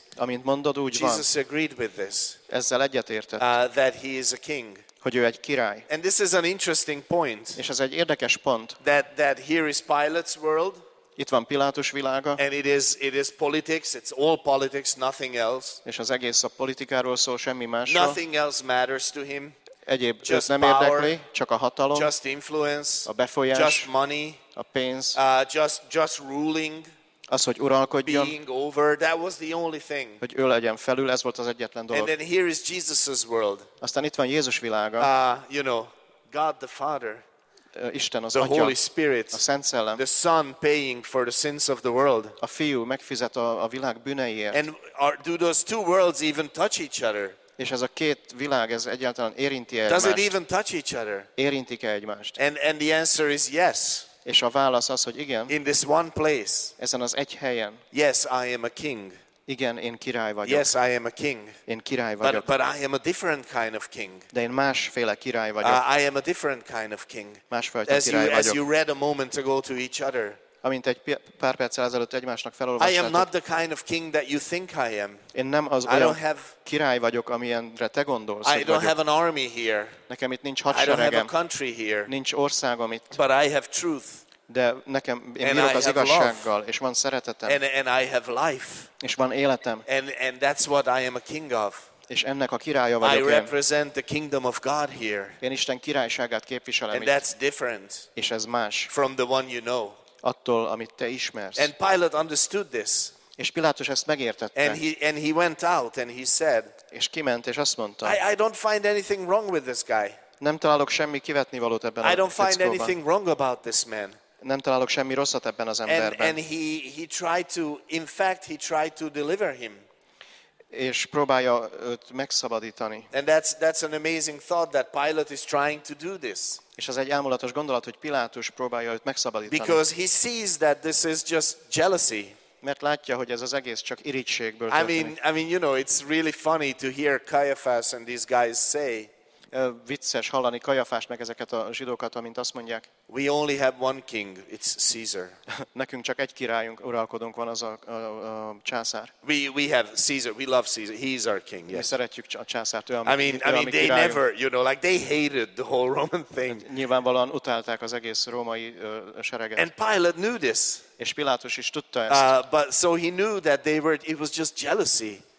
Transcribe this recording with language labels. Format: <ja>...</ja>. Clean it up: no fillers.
<hu>Amint mondod, úgy</hu> <en>Jesus</en> <hu>van.</hu> <en>Jesus agreed with this.</en> <hu>Ezzel egyetértett.</hu> <en>That he is a king.</en> <hu>Hogy ő egy király.</hu> <en>And this is an interesting point.</en> <hu>És ez egy érdekes pont.</hu> <en>That here is Pilate's world.</en> <hu>Itt van Pilátus világa.</hu> <en>And it is politics, it's all politics, nothing else.</en> <hu>És az egész a politikáról szól, semmi másról.</hu> <en>Nothing else matters to him.</en> <hu>Egyéb just nem power, érdekli, csak a hatalom,</hu> <en>just influence,</en> <hu>a befolyás,</hu> <en>just money,</en> <hu>a pénz,</hu> <en>just ruling,</en> <hu>az, hogy uralkodjon,</hu> <en>being over, that was the only thing.</en> <hu>Hogy ő legyen felül, ez volt az egyetlen dolog.</hu> <en>And then here is Jesus's world.</en> <hu>Aztán itt van Jézus világa.</hu> <en>You know, God the Father.</en> <hu>Isten az</hu> <en>the</en> <hu>Atya,</hu> <en>Holy Spirit,</en> <hu>a Szent Szellem,</hu> <en>the Son paying for the sins of the world.</en> <hu>A Fiú megfizet a világ bűneiért.</hu> <en>And do those two worlds even touch each other?</en> <hu>És ez a két világ ez egyáltalán érinti egymást?</hu> <en>Does it even touch each other?</en> <hu>Érintik-e egymást?</hu> <en>And the answer is yes.</en> <hu>És a válasz az, hogy igen.</hu> <en>In this one place.</en> <hu>Ezen az egy helyen.</hu> <en>Yes, I am a king.</en> <hu>Igen, én király vagyok.</hu> <en>Yes, I am a king.</en> <hu>Én király vagyok.</hu> <en>But I am a different kind of king.</en> <hu>De én másféle király vagyok.</hu> <en>I am a different kind of king.</en> <hu>Másfajta király vagyok.</hu> <en>As you read a moment ago to each other.</en> <hu>Amint egy pár perccel ezelőtt egymásnak felolvastátok.</hu> <en>I am not the kind of king that you think I am.</en> <hu>Én nem az olyan király vagyok, amilyenre te gondolsz.</hu> <en>I don't have an army here.</en> <hu>Nekem itt nincs hadseregem.</hu> <en>I don't have a country here.</en> <hu>Nincs országom itt.</hu> <en>But I have truth.</en> <hu>De nekem én bírok az igazsággal, és van szeretetem.</hu> <en>And I have life.</en> <hu>És van életem.</hu> <en>And that's what I am a king of.</en> <hu>És ennek a királya vagyok én.</hu> <en>I represent the kingdom of God here.</en> <hu>Én Isten királyságát képviselem.</hu> <en>And that's different.</en> <hu>És ez más.</hu> <en>From the one you know.</en> <hu>Attól, amit te ismersz.</hu> <en>And Pilate understood this.</en> <hu>És Pilátus ezt megértette.</hu> <en>And he went out and he said.</en> <hu>És kiment és azt mondta.</hu> <en>I don't find anything wrong with this guy.</en> <hu>Nem találok semmi kivetnivalót ebben a fickóban.</hu> <en>I don't find anything wrong about this man.</en> <hu>Nem találok semmi rosszat ebben az emberben.</hu> <en>And he tried to, in fact, he tried to deliver him.</en> <hu>És próbálja őt megszabadítani.</hu> <en>And that's an amazing thought that Pilate is trying to do this.</en> <hu>És ez egy álmulatos gondolat, hogy Pilátus próbálja őt megszabadítani.</hu> <en>Because he sees that this is just jealousy.</en> <hu>Mert látja, hogy ez az egész csak irigységből történik.</hu> <en>I mean, you know, it's really funny to hear Caiaphas and these guys say.</en> <hu>Vicces hallani Caiaphast meg ezeket a zsidókat, amint azt mondják.</hu> <en>We only have one king, it's Caesar.</en> <hu>Nekünk csak egy királyunk, uralkodónk van, az a császár.</hu> <en>We have Caesar, we love Caesar, he's our king. Yes.</en> <hu>Mi szeretjük a császárt,</hu> <en>I mean they</en> <hu>királyunk.</hu> <en>Never, you know, like they hated the whole Roman thing.</en> <hu>Nyilvánvalóan utálták az egész római sereget.</hu> <en>And Pilate knew this.</en> <hu>És Pilátus is tudta ezt.</hu> <en>But so he knew that it was just jealousy.</en>